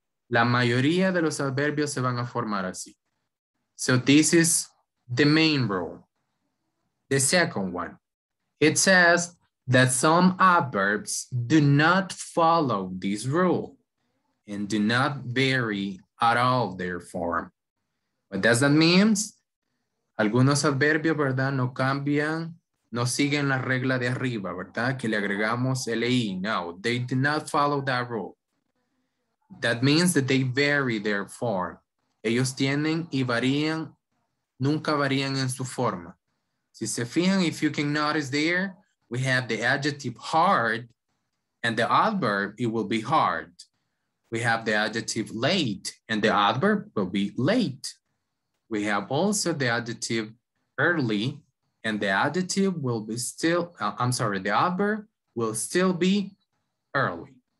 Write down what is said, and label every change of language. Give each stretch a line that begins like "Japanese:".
Spanish: La mayoría de los adverbios se van a formar así.
English: So this is the main rule. The second one, it says that some adverbs do not follow this rule and do not vary at all their form. What does that mean?
Spanish: Algunos adverbios, ¿verdad? No cambian. No siguen la regla de arriba, ¿verdad? Que le agregamos L-I.
English: No, they do not follow that rule. That means that they vary their form.
Spanish: Ellos tienen y varían, nunca varían en su forma. Si se fijan,
English: if you can notice there, we have the adjective hard and the adverb, it will be hard. We have the adjective late and the adverb will be late. We have also the adjective early, and the adjective will be still, I'm sorry, the adverb will still be early.